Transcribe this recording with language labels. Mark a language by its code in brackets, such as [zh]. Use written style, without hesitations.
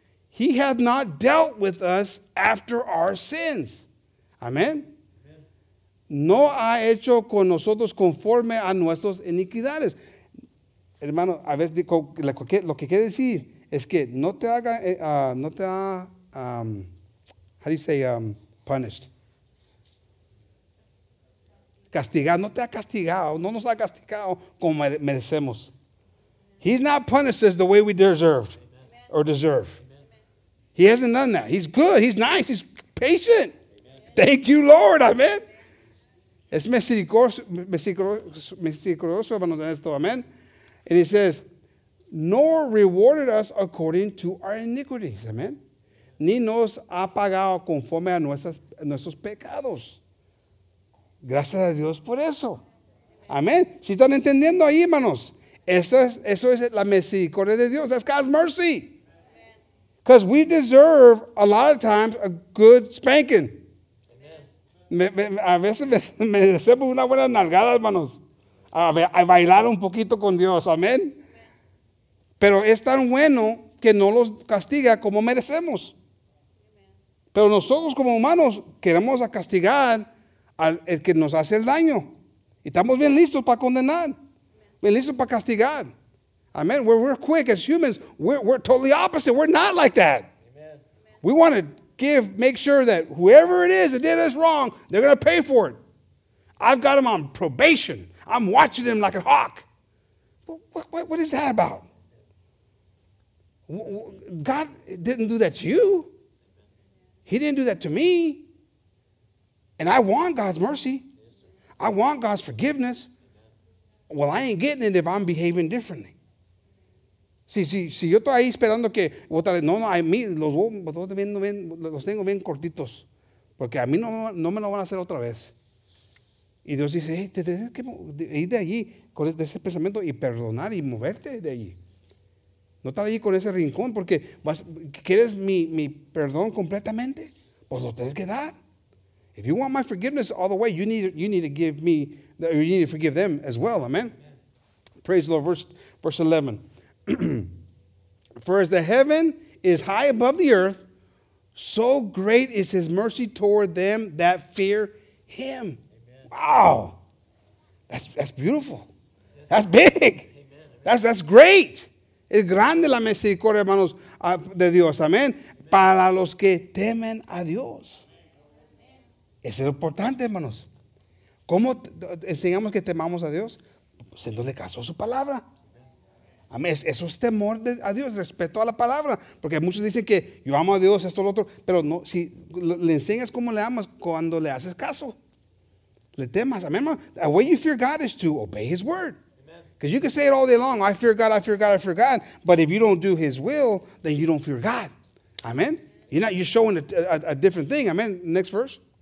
[en] He hath not dealt with us after our sins. Amen. [es] No ha hecho con nosotros conforme a nuestras iniquidades. Hermano, a veces lo que quiere decir es que no te haga, no te ha, [en] how do you say, punished? [es] castigado, no te ha castigado, no nos ha castigado como merecemos. [en] He's not punished us the way we deserved or deserve. He hasn't done that. He's good. He's nice. He's patient. Thank you, Lord. Amen. [es] Es misericordioso, hermanos, en esto. Amen. [en] And he says, nor rewarded us according to our iniquities. [es] Amen. Ni nos ha pagado conforme a nuestros pecados. Gracias a Dios por eso. Amen. Si están entendiendo ahí, hermanos. Eso es la misericordia de Dios. [en] That's God's mercy. Because we deserve, a lot of times, a good spanking. [es] A veces me deseo una buena nalgada, hermanos. A bailar un poquito con Dios. Amén. Pero es tan bueno que no los castiga como merecemos. Pero nosotros como humanos queremos castigar al que nos hace el daño. Y estamos bien listos para condenar. Bien listos para castigar. Amen. [en] We're quick as humans. We're totally opposite. We're not like that. Amen. We want to make sure that whoever it is that did us wrong, they're going to pay for it. I've got them on probation. I'm watching them like a hawk. What is that about? God didn't do that to you. He didn't do that to me. And I want God's mercy. I want God's forgiveness. Well, I ain't getting it if I'm behaving differently. [es] Si yo estoy ahí esperando que otra vez, no, a mí los tengo bien cortitos, porque a mí no me lo van a hacer otra vez. Y Dios dice, hey, te tienes que ir de allí con ese pensamiento y perdonar y moverte de allí. No estar allí con ese rincón, porque quieres mi perdón completamente, pues lo tienes que dar. [en] If you want my forgiveness all the way, you need to give me, you need to forgive them as well, amen. Praise the Lord, verse 11. For as the heaven is high above the earth, so great is his mercy toward them that fear him. Amen. Wow. That's beautiful. That's big. Amen. That's great. [es] Es grande la misericordia, hermanos, de Dios. Amén. Para los que temen a Dios. Eso es importante, hermanos. ¿Cómo enseñamos que temamos a Dios? Haciéndole caso a su palabra. Eso es temor a Dios, respeto a la palabra. Porque muchos dicen que yo amo a Dios, esto, lo otro. Pero no, si le enseñas cómo le amas cuando le haces caso. Le temas. Amen. [en] The way you fear God is to obey his word. Because you can say it all day long, I fear God, I fear God, I fear God. But if you don't do his will, then you don't fear God. Amen. You're showing a different thing. Amen. Next verse.